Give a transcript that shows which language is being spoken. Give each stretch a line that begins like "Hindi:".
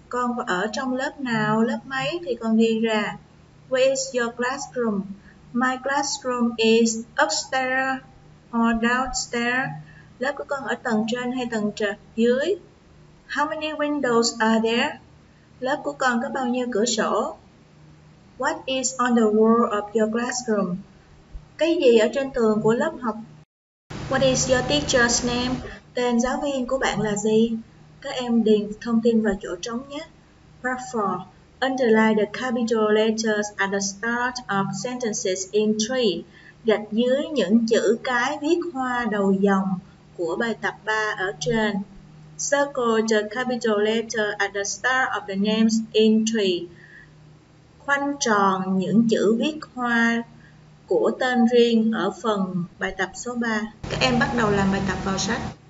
Vietnamese: Con ở trong lớp nào, lớp mấy thì con ghi ra.
English: Where is your classroom? My classroom is upstairs or downstairs.
Vietnamese: Lớp của con ở tầng trên hay tầng dưới?
English: How many windows are there?
Vietnamese: Lớp của con có bao nhiêu cửa sổ?
English: What is on the wall of your classroom?
Vietnamese: Cái gì ở trên tường của lớp học?
English: What is your teacher's name?
Vietnamese: Tên giáo viên của bạn là gì? Các em điền thông tin vào chỗ trống nhé.
English: Part 4. Underline the capital letters at the start of sentences in 3.
Vietnamese: Gạch dưới những chữ cái viết hoa đầu dòng của bài tập 3 ở trên.
English: Circle the capital letter at the start of the names in 3.
Vietnamese: Khoanh tròn những chữ viết hoa của tên riêng ở phần bài tập số 3. Các em bắt đầu làm bài tập vào sách.